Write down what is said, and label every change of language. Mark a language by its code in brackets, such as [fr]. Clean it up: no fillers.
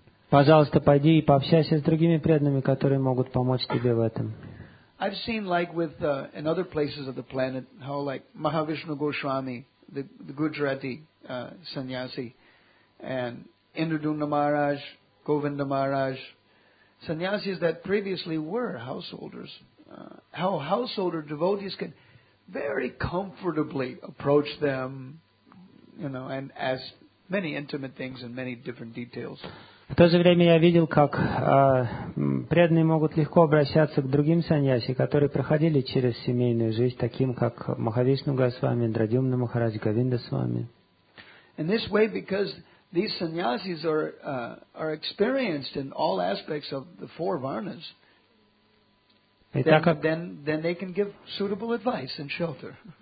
[ru] Пожалуйста, пойди и пообщайся с другими преданными, которые могут помочь тебе в этом. [en] I've seen, like with in other places of the planet, how like Mahavishnu Goswami, the Gujarati sannyasi, and Indraduna Maharaj, Govinda Maharaj, sannyasis that previously were householders, how householder devotees can very comfortably approach them, you know, and ask many intimate things and many different details. [ru] В то же время я видел, как преданные могут легко обращаться к другим саньяси, которые проходили через семейную жизнь, таким как Махавишну Госвами, Драдюмна Махарадж, Говинда Свами. [en] In this way, because these sannyasis are experienced in all aspects of the four varnas, then they can give suitable advice and shelter.